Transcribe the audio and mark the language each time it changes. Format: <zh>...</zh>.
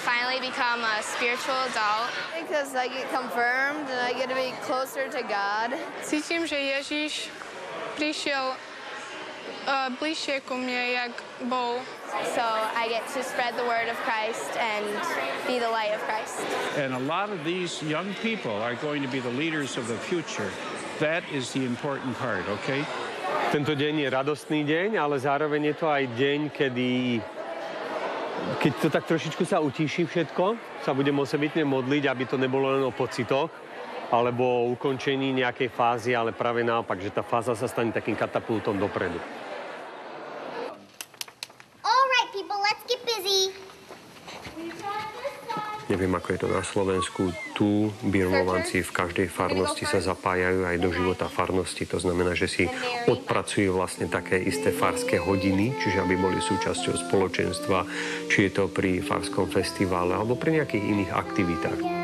<en>Because I get confirmed and I get to be closer to God.</en> <sk>Cítim, že Ježiš prišiel bližšie ku mne, jak bol.</sk> <en>So I get to spread the word of Christ and be the light of Christ. And a lot of these young people are going to be the leaders of the future. That is the important part, okay?</en> <sk>Tento deň je radostný deň, ale zároveň je to aj deň, keď to tak trošičku sa utíši všetko, sa budem osobitne modliť, aby to nebolo len o pocitoch alebo o ukončení nejakej fázy, ale práve naopak, že tá fáza sa stane takým katapultom dopredu.</sk> <en>All right, people, let's get busy.</en> <sk>Neviem, ako je to na Slovensku. Tu birmovanci v každej farnosti sa zapájajú aj do života farnosti. To znamená, že si odpracujú vlastne také isté farské hodiny, čiže aby boli súčasťou spoločenstva, či je to pri farskom festivále alebo pri nejakých iných aktivitách.</sk>